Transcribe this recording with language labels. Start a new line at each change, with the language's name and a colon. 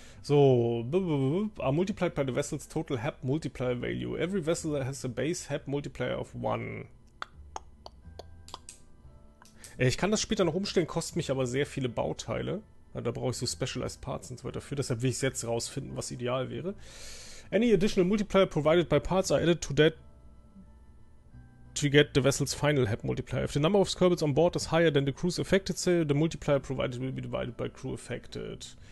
English: So, multiplied by the vessel's total HAB multiplier value. Every vessel has a base HAB multiplier of 1.
German: Ich kann das später noch umstellen, kostet mich aber sehr viele Bauteile. Da brauche ich so
English: specialized parts
German: und so weiter dafür. Deshalb will ich es jetzt rausfinden, was ideal wäre.
English: Any additional multiplier provided by parts are added to that to get the vessel's final HAB multiplier. If the number of Skirbels on board is higher than the crew's affected sail, the multiplier provided will be divided by crew affected.